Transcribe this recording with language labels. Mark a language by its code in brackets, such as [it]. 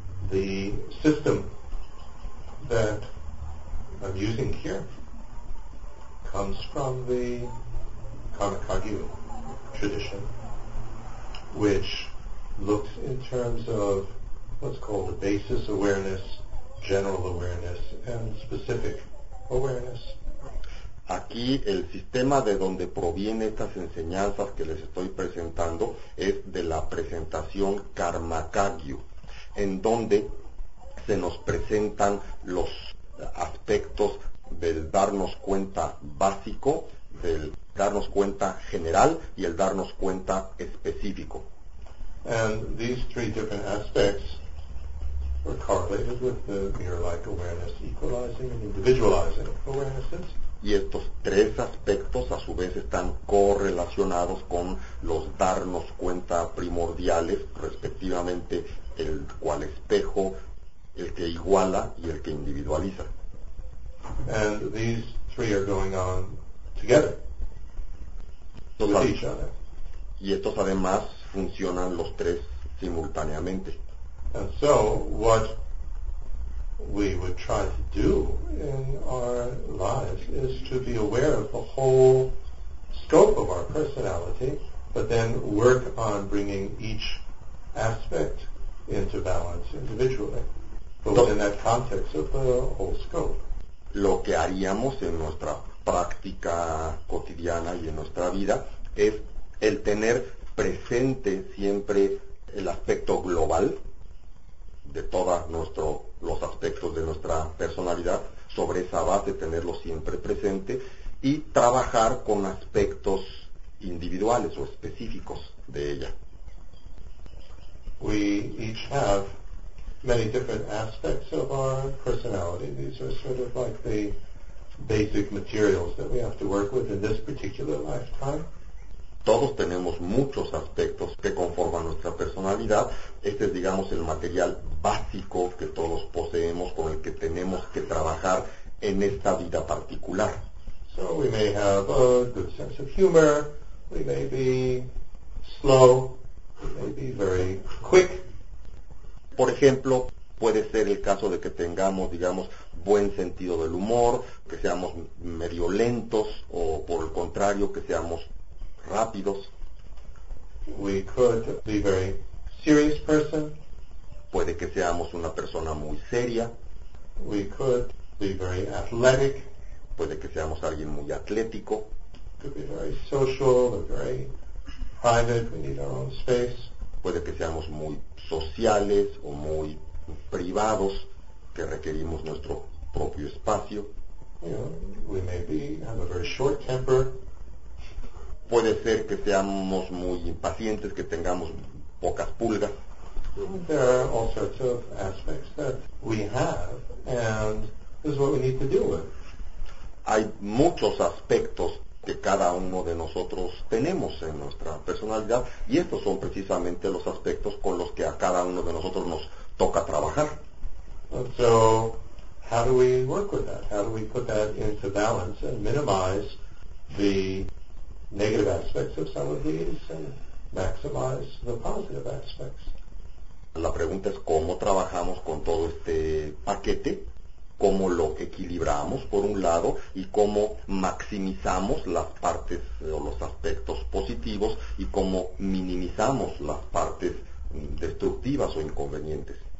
[en] The system that I'm using here comes from the Kanakagyu tradition, which looks in terms of what's called a basis awareness, general awareness, and specific awareness. [es] Aquí el sistema de donde provienen estas enseñanzas que les estoy presentando es de la presentación Karmakagyu, en donde se nos presentan los aspectos del darnos cuenta básico, del darnos cuenta general y el darnos cuenta específico. [en] And these three different aspects were correlated with the mirror-like awareness, equalizing and individualizing awarenesses. [es] Y estos tres aspectos a su vez están correlacionados con los darnos cuenta primordiales, respectivamente el cual espejo, el que iguala y el que individualiza. [en] And these three are going on together. [es] Y estos además funcionan los tres simultáneamente. [en] And so what we would try to do in our lives is to be aware of the whole scope of our personality, but then work on bringing each aspect into balance individually, but within that context of the whole scope. [es] Lo que haríamos en nuestra práctica cotidiana y en nuestra vida es el tener presente siempre el aspecto global de todos los aspectos de nuestra personalidad, sobre esa base tenerlo siempre presente y trabajar con aspectos individuales o específicos de ella. [en] We each have many different aspects of our personality. These are sort of like the basic materials that we have to work with in this particular lifetime. [es] Todos tenemos muchos aspectos que conforman nuestra personalidad. Este es, digamos, el material básico que todos poseemos con el que tenemos que trabajar en esta vida particular. [en] So we may have a good sense of humor, we may be slow, we may be very quick. [es] Por ejemplo, puede ser el caso de que tengamos, digamos, buen sentido del humor, que seamos medio lentos, o por el contrario, que seamos rápidos. [en] We could be a very serious person. [es] Puede que seamos una persona muy seria. [en] We could be very athletic. [es] Puede que seamos alguien muy atlético. [en] Could be very social or very private. We need our own space. [es] Puede que seamos muy sociales o muy privados, que requerimos nuestro propio espacio. [en] You know, we may be, have a very short temper. [es] Puede ser que seamos muy impacientes, que tengamos pocas pulgas. [en] There are all sorts of aspects that we have, and this is what we need to deal with. [es] Hay muchos aspectos que cada uno de nosotros tenemos en nuestra personalidad, y estos son precisamente los aspectos con los que a cada uno de nosotros nos toca trabajar. [en] And so, how do we work with that? How do we put that into balance and minimize the negative aspects of some of these and maximize the positive aspects? [es] La pregunta es cómo trabajamos con todo este paquete, cómo lo equilibramos por un lado y cómo maximizamos las partes o los aspectos positivos y cómo minimizamos las partes destructivas o inconvenientes.